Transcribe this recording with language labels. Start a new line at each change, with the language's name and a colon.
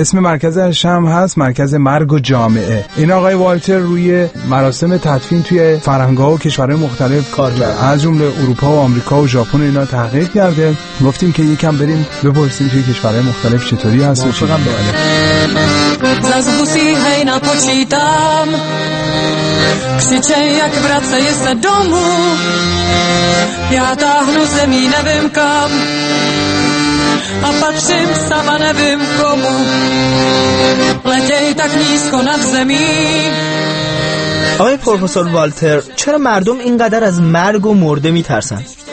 Persian: اسم مرکزش هم هست مرکز مرگ و جامعه. این آقای والتر روی مراسم تدفین توی فرهنگ‌ها و کشورهای مختلف کار کرده، از جمله اروپا و آمریکا و ژاپن و اینا تحقیق کرده. گفتیم که یکم بریم بپرسیم توی کشورهای مختلف چطوری هست.
Czech: Zazbusí, hej, napočítám, křiče, jak vracejí se domů. Já táhnu zemí, nevím kam, a patřím sama, nevím komu. Letěj tak nízko nad zemí.
Persian: آقای پروفسور والتر، چرا مردم اینقدر از مرگ و مرده میترسن؟